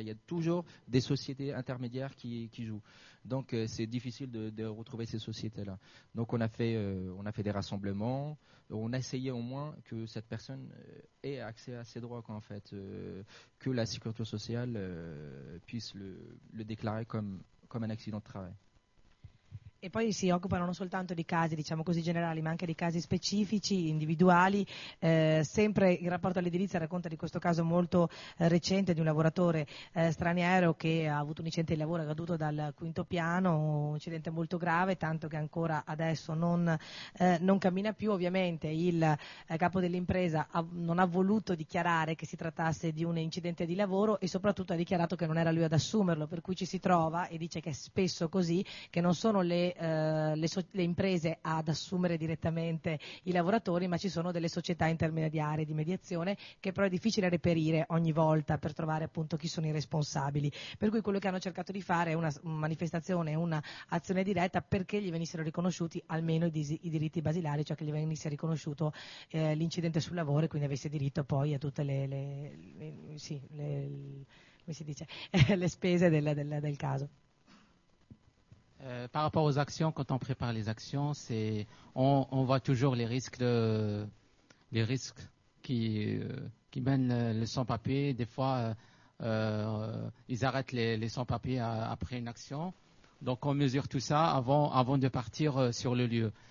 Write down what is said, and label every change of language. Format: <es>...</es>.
<fr>Il y a toujours des sociétés intermédiaires qui jouent. Donc c'est difficile de retrouver ces sociétés-là. Donc on a fait des rassemblements. On a essayé au moins que cette personne ait accès à ses droits, quoi, en fait, que la sécurité sociale puisse le déclarer comme un accident de travail.</fr> <it>E poi si occupano non soltanto di casi, diciamo così, generali, ma anche di casi specifici, individuali. Sempre il rapporto all'edilizia racconta di questo caso molto recente di un lavoratore straniero che ha avuto un incidente di lavoro, è caduto dal quinto piano, un incidente molto grave, tanto che ancora adesso non cammina più. Ovviamente il capo dell'impresa non ha voluto dichiarare che si trattasse di un incidente di lavoro e soprattutto ha dichiarato che non era lui ad assumerlo, per cui ci si trova, e dice che è spesso così, che non sono le imprese ad assumere direttamente i lavoratori, ma ci sono delle società intermediarie di mediazione che però è difficile reperire ogni volta per trovare appunto chi sono i responsabili. Per cui quello che hanno cercato di fare è una manifestazione, un'azione diretta perché gli venissero riconosciuti almeno i diritti basilari, cioè che gli venisse riconosciuto l'incidente sul lavoro e quindi avesse diritto poi a tutte le spese del caso.</it> <fr>Par rapport aux actions, quand on prépare les actions, on voit toujours les risques qui mènent le sans-papier. Des fois, ils arrêtent les sans-papiers après une action. Donc, on mesure tout ça avant de partir sur le lieu.</fr>